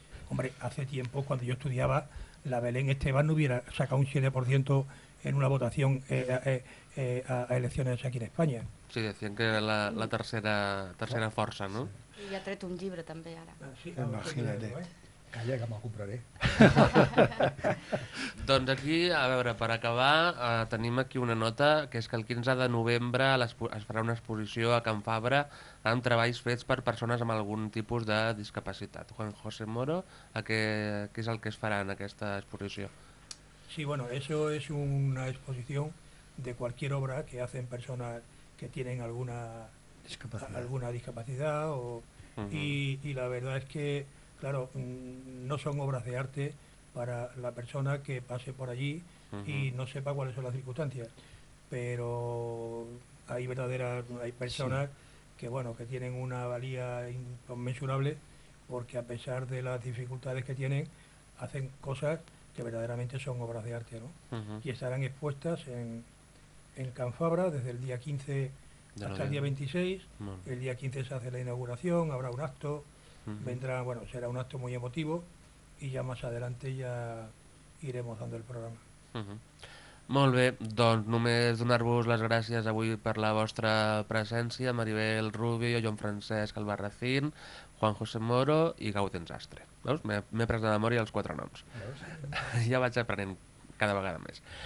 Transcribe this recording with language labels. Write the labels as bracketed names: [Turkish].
[Spanish] Hombre, hace tiempo, cuando yo estudiaba... la Belén Esteban no hubiera sacado un 7% en una votación a elecciones aquí en España. Sí, decían que era la tercera fuerza, ¿no? Y ha traído un libro también ahora. Sí, imagínate. Calla, que me lo compraré. [Catalan] Doncs aquí, a veure, per acabar, tenim aquí una nota, que és que el 15 de novembre es farà una exposició a Can Fabra amb treballs fets per persones amb algun tipus de discapacitat. Juan José Moro, què és el que es farà en aquesta exposició? [Spanish] Sí, bueno, eso es una exposición de cualquier obra que hacen personas que tienen alguna discapacidad. Y la verdad es que, claro, no son obras de arte para la persona que pase por allí y no sepa cuáles son las circunstancias, pero hay personas que tienen una valía inconmensurable, porque a pesar de las dificultades que tienen, hacen cosas que verdaderamente son obras de arte, ¿no? Y estarán expuestas en Can Fabra desde el día 15 hasta el día 26. El día 15 se hace la inauguración, habrá un acto. Será un acto muy emotivo, y ya más adelante ya iremos dando el programa. [Catalan] Molt bé, doncs només donar-vos les gràcies avui per la vostra presència, Maribel Rubio, Joan Francesc Albarracín, Juan José Moro i Gaudens Astre. Veus? M'he pres de memòria els quatre noms. Ja vaig aprenent cada vegada més.